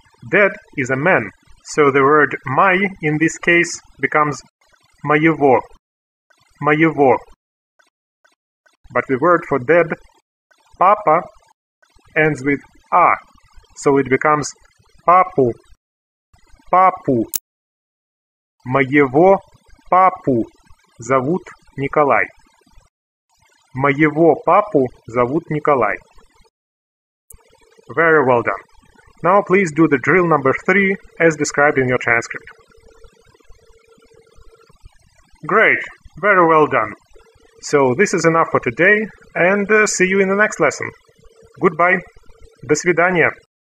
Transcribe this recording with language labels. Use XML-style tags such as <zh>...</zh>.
<en>Dead is a man, so the word my in this case becomes моего.</en> <ru>Моего.</ru> <en>But the word for dead, папа, ends with а, so it becomes папу.</en> <ru>Папу. Моего папу зовут Николай. Моего папу зовут Николай.</ru> <en>Very well done. Now please do the drill number 3 as described in your transcript. Great. Very well done. So this is enough for today, and see you in the next lesson. Goodbye.</en> <ru>До свидания.</ru>